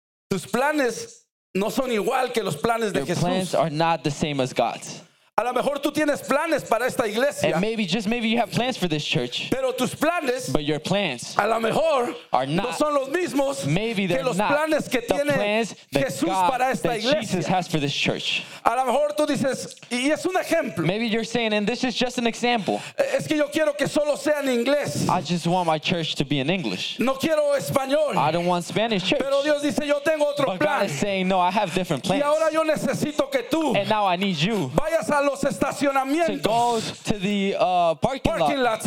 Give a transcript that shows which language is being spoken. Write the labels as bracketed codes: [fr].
[es] Tus planes no son igual que los planes de Jesús. [en] Your plans are not the same as God's. [es] A lo mejor tú tienes planes para esta iglesia. [en] And maybe, just maybe you have plans for this church. [es] Pero tus planes. [en] But your plans. [es] A lo mejor. [en] Are not. [es] No son los mismos. [en] Maybe they're [es] que los planes que tiene Jesús para esta iglesia. [en] Jesus has for this church. [es] A lo mejor tú dices, y es un ejemplo. [en] Maybe you're saying, and this is just an example. [es] Es que yo quiero que solo sea en inglés. [en] I just want my church to be in English. [es] No quiero español. [en] I don't want Spanish church. [es] Pero Dios dice, yo tengo otro [en] but plan. God is saying, no, I have different plans. [es] Y ahora yo necesito que tú. [en] And now I need you. [es] Vayas a los estacionamientos. [en] To go to the parking lots.